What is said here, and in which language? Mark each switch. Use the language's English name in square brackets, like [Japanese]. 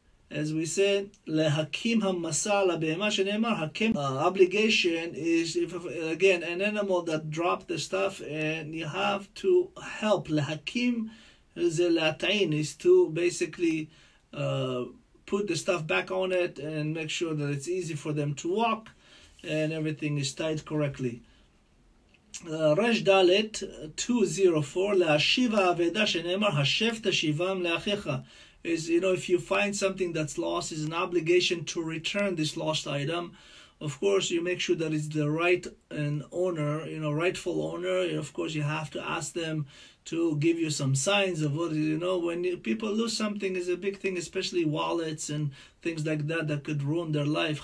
[English] As we said, [Hebrew] להקים המסע לבהמה שנאמר, הקם, [English] obligation is, if, again, an animal that dropped the stuff, and you have to help. [Hebrew] להקים זה להטעין, [English] is to basically put the stuff back on it and make sure that it's easy for them to walk and everything is tied correctly. [Hebrew] רש דלת 204, להשיב העבדה שנאמר, השף תשיבם לאחיך. [English] Is, you know, if you find something that's lost, it's an obligation to return this lost item. Of course, you make sure that it's the right and owner, you know, rightful owner. Of course, you have to ask them to give you some signs of what, you know, when people lose something, is a big thing, especially wallets and things like that that could ruin their life.